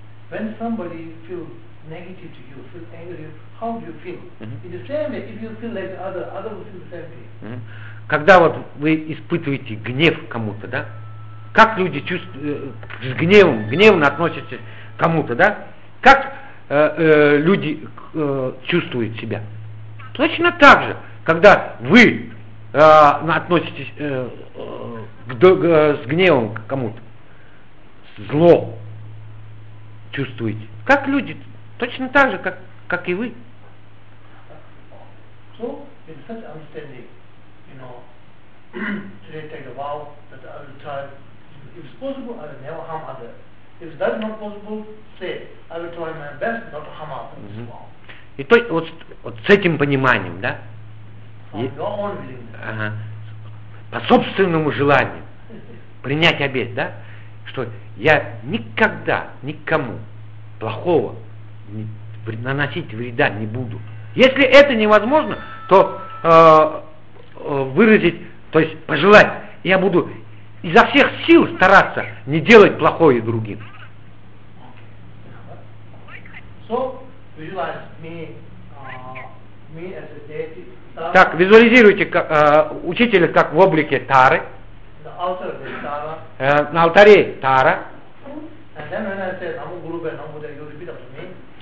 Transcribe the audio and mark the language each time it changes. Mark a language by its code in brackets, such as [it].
[en] When somebody feels negative to you, feels angry, how do you feel? It is the same if you feel like other will feel the same thing. [ru] Когда вот вы испытываете гнев кому-то, да? Как люди чувствуют, с гневом, гневно относятся к кому-то, да? Как люди чувствуют себя? Точно так же, когда вы относитесь с гневом к кому-то, зло чувствуете. Как люди, точно так же, как и вы. [en] So, in such understanding, you know, today take a vow that I will try, if it's possible, I will never harm others. If that's not possible, say, I will try my best not to harm others. [ru] И то вот с этим пониманием, да? По собственному желанию принять обет, да? Что я никогда никому плохого наносить вреда не буду. Если это невозможно, то выразить, то есть пожелать, я буду изо всех сил стараться не делать плохое другим. [en] So, visualize me as a deity. [ru] Так, визуализируйте учителя как в облике Тары. [en] The altar is Tara. [ru] На алтаре Тара. [en] And then when I say, I'm a guru, I'm a guru, you repeat after me.